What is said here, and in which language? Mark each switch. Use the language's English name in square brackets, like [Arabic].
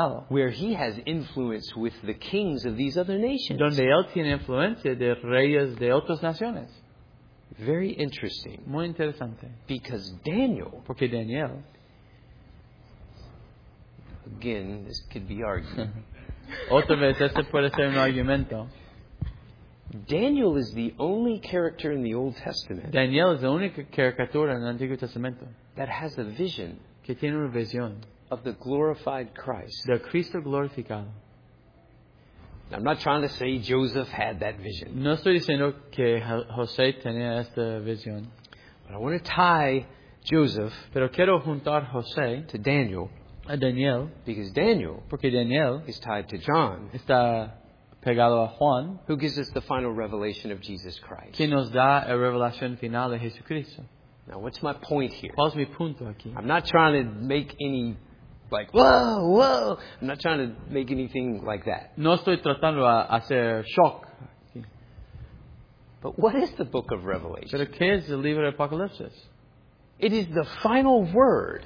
[English] where he has influence with the kings of these other nations. [Spanish] Donde él tiene influencia de reyes de otras naciones. [English] Very interesting. [Spanish] Muy interesante. [English] Because Daniel. [Spanish] Porque Daniel. [English] Again, this could be argued. [Spanish] Otra vez, este puede ser un argumento. [English] Daniel is the only character in the Old Testament. [Spanish] Daniel es la única caricatura en el Antiguo Testamento. [English] That has a vision. [Spanish] Que tiene una visión. [English] Of the glorified Christ. [Spanish] De Cristo glorificado. [English] Now, I'm not trying to say Joseph had that vision. [Spanish] No estoy diciendo que José tenía esta visión. [English] But I want to tie Joseph. [Spanish] Pero quiero juntar José. [English] To Daniel. [Spanish] A Daniel. [English] Because Daniel. [Spanish] Porque Daniel. [English] Is tied to John. [Spanish] Está pegado a Juan. [English] Who gives us the final revelation of Jesus Christ. [Spanish] Quien nos da la revelación final de Jesucristo. [English] Now, what's my point here? [Spanish] ¿Cuál es mi punto aquí? [English] I'm not trying to make any, like, whoa. I'm not trying to make anything like that. [Spanish] No estoy tratando a hacer shock aquí. [English] But what is the book of Revelation? [Spanish] ¿Pero qué es el libro de Apocalipsis? [English] It is the final word.